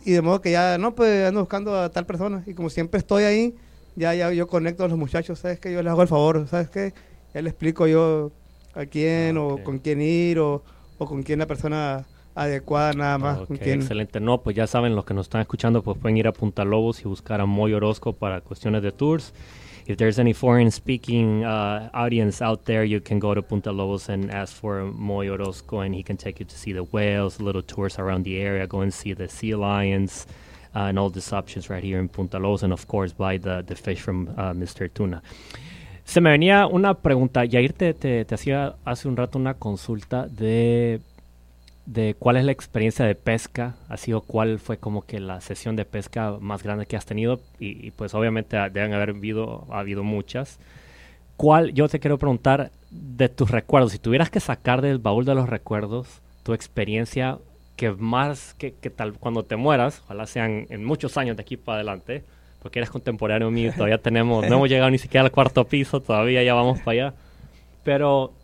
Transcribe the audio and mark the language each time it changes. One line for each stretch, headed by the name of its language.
Spanish: Y de modo que ya, no, pues ando buscando a tal persona. Y como siempre estoy ahí, ya yo conecto a los muchachos, ¿sabes qué? Yo les hago el favor, ¿sabes qué? Ya les explico yo a quién, okay, o con quién ir, o con quién la persona adecuada, nada más. Okay, con quién. Excelente. No, pues ya saben, los que nos están escuchando, pues pueden ir a Punta Lobos y buscar a Moy Orozco para cuestiones de tours.
English: If there's any foreign-speaking audience out there, you can go to Punta Lobos and ask for Moy Orozco, and he can take you to see the whales, little tours around the area, go and see the sea lions, and all these options right here in Punta Lobos, and of course, buy the fish from Mr.
Spanish: Tuna. Se me venía una pregunta. Yair, te hacía hace un rato una consulta de cuál es la experiencia de pesca, así, o cuál fue como que la sesión de pesca más grande que has tenido, y pues obviamente deben haber habido muchas. ¿Cuál, yo te quiero preguntar, de tus recuerdos, si tuvieras que sacar del baúl de los recuerdos tu experiencia que más, que tal cuando te mueras, ojalá sean en muchos años de aquí para adelante, porque eres contemporáneo mío, todavía tenemos, no hemos llegado ni siquiera al cuarto piso, todavía ya vamos para allá, pero...